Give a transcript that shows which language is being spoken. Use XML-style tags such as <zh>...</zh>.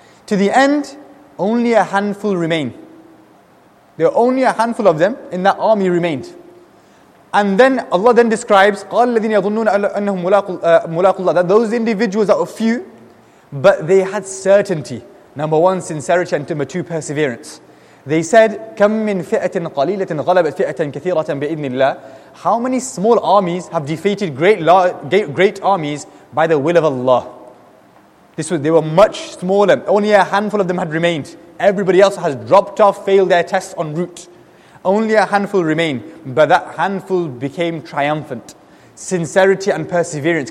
<en>To the end, only a handful remained. There were only a handful of them in that army remained. And then Allah then describes,</en> <ar>قَالَ الَّذِينَ يَظُنُّونَ أَنَّهُمْ مُلَاقُ اللَّهِ,</ar> <en>that those individuals are a few, but they had certainty. Number one, sincerity, and number two, perseverance. They said,</en> <ar>كَمْ مِنْ فِئَةٍ قَلِيلَةٍ غَلَبَتْ فِئَةً كَثِيرَةً بِإِذْنِ اللَّهِ.</ar> <en>How many small armies have defeated great armies by the will of Allah? They were much smaller. Only a handful of them had remained. Everybody else has dropped off, failed their tests en route. Only a handful remained. But that handful became triumphant. Sincerity and perseverance.</en>